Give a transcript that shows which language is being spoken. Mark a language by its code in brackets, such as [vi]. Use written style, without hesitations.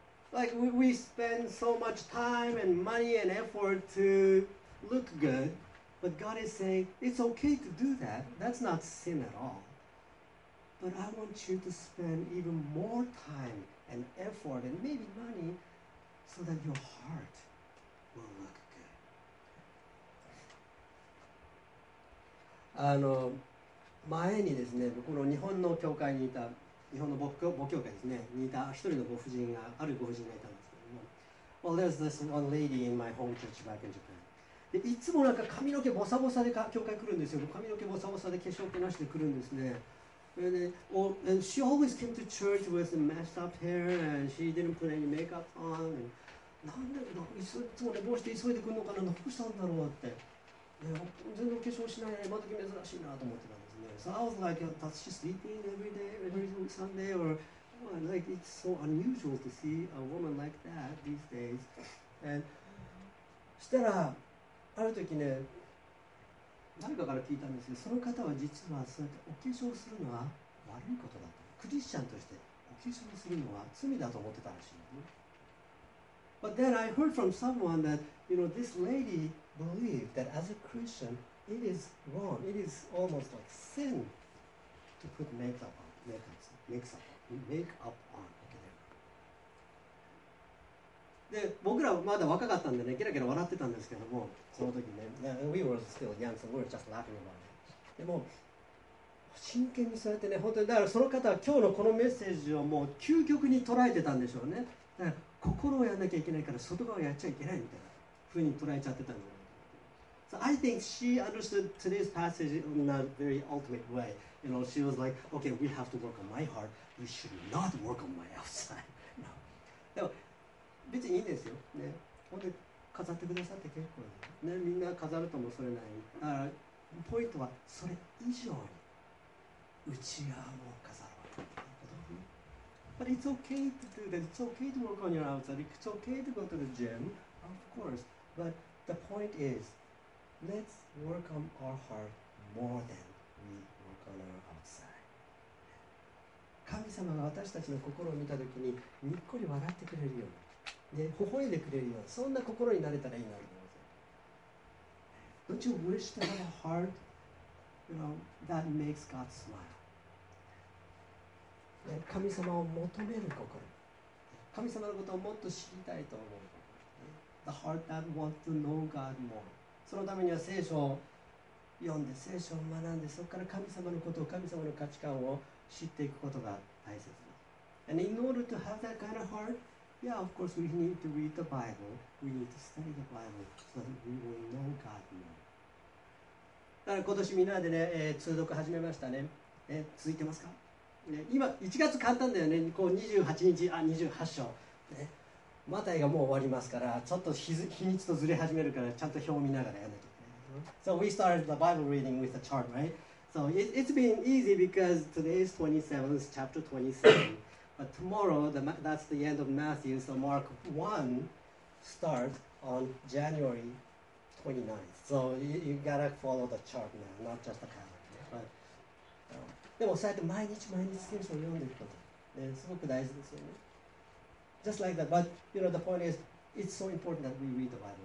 [en] Like we spend so much time and money and effort to look goodBut God is saying, it's okay to do that. That's not sin at all. But I want you to spend even more time and effort and maybe money so that your heart will look good. [ja] あの、前にですね、この日本の教会にいた、日本の母教会ですね、にいた一人のご婦人が、あるご婦人がいたんですけども。 [en] Well, there's this one lady in my home church back in Japan. [ja] でいつもなんか髪の毛ボサボサで教会来るんですよ。髪の毛ボサボサで化粧気なしで来るんですね。 [en] で、and she always came to church with messed up hair and she didn't put any makeup on. [ja] なんでいつも寝坊して急いで来るのかな、どうしたんだろうって。で、全然化粧しない、また珍しいなと思ってたんですね。 [en] So I was like, does she sleeping every day, every Sunday? Or, oh, like, it's so unusual to see a woman like that these days. [ja] And, したら、ある時ね、誰かから聞いたんですけど、その方は実はそうやってお化粧するのは悪いことだと、クリスチャンとしてお化粧するのは罪だと思ってたらしい。 [en] But then I heard from someone that, you know, this lady believed that as a Christian, it is wrong. It is almost like sin to put makeup on. Makeup on. [ja] で、僕らはまだ若かったんでね、ケラケラ笑ってたんですけども、その時ね、 [en] We were still young, so we were just laughing about it. [ja] でも、真剣にされてね、本当に、だからその方は今日のこのメッセージをもう究極に捉えてたんでしょうね。だから、心をやんなきゃいけないから、外側をやっちゃいけないみたいな風に捉えちゃってたんだよね。 [en] So I think she understood today's passage in a very ultimate way. You know, she was like, okay, we have to work on my heart. We should not work on my outside. No. [ja] でも別にいいんですよ、ね、本当に飾ってくださって結構、ね、みんな飾るともそれない。だからポイントはそれ以上に内側を飾ろうということ。 [en] But it's okay to do that. It's okay to work on your outside. It's okay to go to the gym, of course. But the point is, let's work on our heart more than we work on our outside. [ja] 神様が私たちの心を見たときににっこり笑ってくれるような、で、微笑んでくれるような、そんな心になれたらいいなと思います。 [en] Don't you wish to have a heart, you know, that makes God smile? [ja] 神様を求める心、神様のことをもっと知りたいと思う心、 [en] The heart that wants to know God more. [ja] そのためには聖書を読んで、聖書を学んで、そこから神様のことを、神様の価値観を知っていくことが大切です。 [en] And in order to have that kind of heart, yeah, of course, we need to read the Bible. We need to study the Bible so that we will know God more. [ja] だから今年みんなでね、通読始めましたね。続いてますか、ね、今、1月簡単だよね。こう28日、あ、28章、ね。マタイがもう終わりますから、ちょっと 日にちとずれ始めるから、ちゃんと表を見ながらやらなきゃいけない。 [en] So we started the Bible reading with the chart, right? So it's been easy because today is 27th, chapter 27. But tomorrow, that's the end of Matthew. So Mark 1 starts on January 29th. So you gotta follow the chart now, not just the calendar. [ja] But, でもそうやって毎日毎日聖書を読んでいくこと、ね、すごく大事ですよね。 [en] Just like that. But you know, the point is, it's so important that we read the Bible.